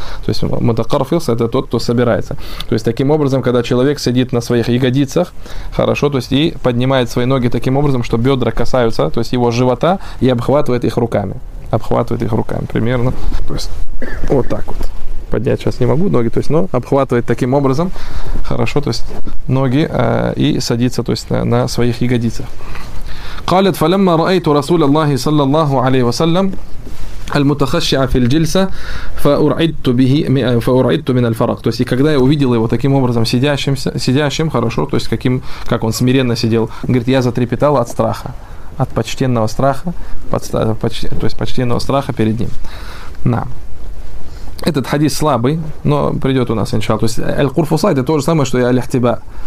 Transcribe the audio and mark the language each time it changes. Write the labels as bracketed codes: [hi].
[ru] То есть متقرفص — это тот, кто собирается. То есть таким образом, когда человек сидит на своих ягодицах, хорошо, то есть и поднимает свои ноги таким образом, что бедра касаются, то есть его живота, и обхватывает их руками. Обхватывает их руками примерно. То есть вот так вот. Поднять сейчас не могу ноги, то есть, но обхватывает таким образом, хорошо, то есть ноги, и садится, то есть на своих ягодицах. [ar] قالت فلما رأيت رسول الله صلى الله عليه وسلم المتخشع في الجلسة فأرعدت به فأرعدت من الفرق. [ru] То есть и когда я увидел его таким образом сидящим, хорошо, то есть каким, как он смиренно сидел, говорит, я затрепетал от страха. От почтенного страха, то есть почтенного страха перед ним. На. Этот хадис слабый, но придет у нас, иншаллах. То есть аль-курфуса – это то же самое, что и аль-ихтиба.